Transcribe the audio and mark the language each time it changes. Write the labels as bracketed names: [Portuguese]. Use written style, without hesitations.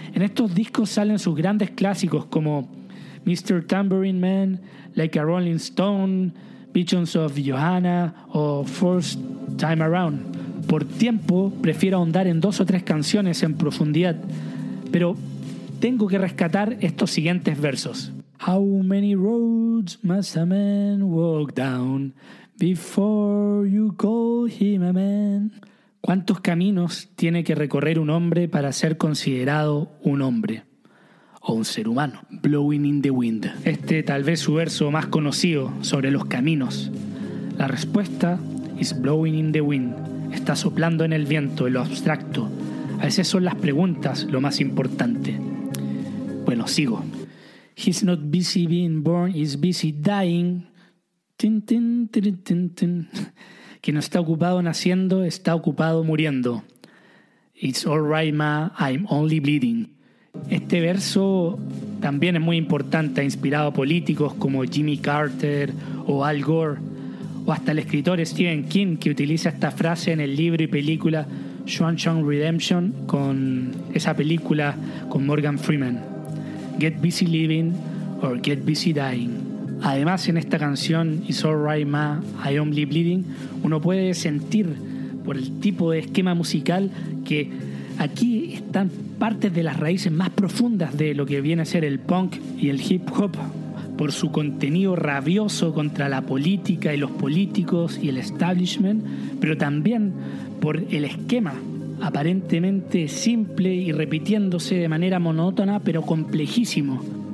[Spanish] En estos discos salen sus grandes clásicos como Mr. Tambourine Man, Like a Rolling Stone, Visions of Johanna o First Time Around. Por tiempo, prefiero ahondar en dos o tres canciones en profundidad, pero tengo que rescatar estos siguientes versos. [English] How many roads must a man walk down before you call him a man? [Spanish] ¿Cuántos caminos tiene que recorrer un hombre para ser considerado un hombre o un ser humano? Blowing in the wind. Este tal vez su verso más conocido sobre los caminos. La respuesta [English] is blowing in the wind. [Spanish] Está soplando en el viento, en lo abstracto. A veces son las preguntas lo más importante. Bueno, sigo. [English] He's not busy being born, he's busy dying. Tin, tin, tin, tin, tin. [Spanish] Quien no está ocupado naciendo, está ocupado muriendo. [English] It's all right, ma, I'm only bleeding. [Spanish] Este verso también es muy importante, ha inspirado a políticos como Jimmy Carter o Al Gore, o hasta el escritor Stephen King, que utiliza esta frase en el libro y película Shawshank Redemption, con esa película con Morgan Freeman. [English] Get busy living or get busy dying. [Spanish] Además, en esta canción It's All Right Ma, I Only Bleeding, uno puede sentir por el tipo de esquema musical que aquí están partes de las raíces más profundas de lo que viene a ser el punk y el hip hop, por su contenido rabioso contra la política y los políticos y el establishment, pero también por el esquema aparentemente simple y repitiéndose de manera monótona pero complejísimo.